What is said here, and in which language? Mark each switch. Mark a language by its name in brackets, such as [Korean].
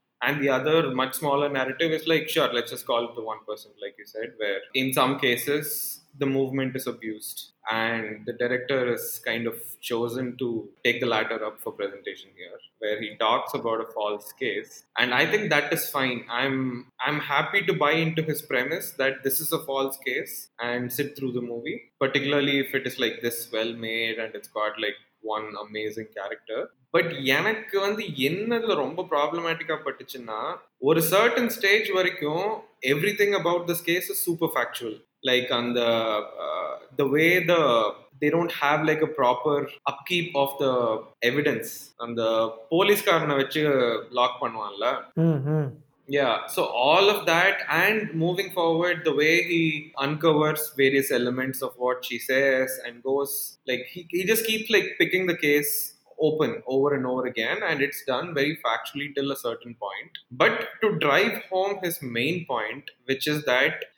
[English] And the other much smaller narrative is like, sure, let's just call it the 1%, like you said, where in some cases the movement is abused and the director is kind of chosen to take the latter up for presentation here, where he talks about a false case. And I think that is fine. I'm happy to buy into his premise that this is a false case and sit through the movie, particularly if it is like this well made and it's got like one amazing character. [Tamil] But எனக்கு வந்து என்னதுல ரொம்ப ப்ராப்ளமேட்டிக்கா பட்டுச்சுன்னா, ஒரு certain stage வரைக்கும் [English] Everything about this case is super factual. Like அந்த the way the they don't have like a proper upkeep of the evidence. [Tamil] அந்த போலீஸ்காரனை வச்சு lock பண்ணுவான்ல, [English] yeah, so all of that, and moving forward the way he uncovers various elements of what she says and goes, like he just keeps like picking the case open over and over again, and it's done very factually till a certain point. But to drive home his main point, which is that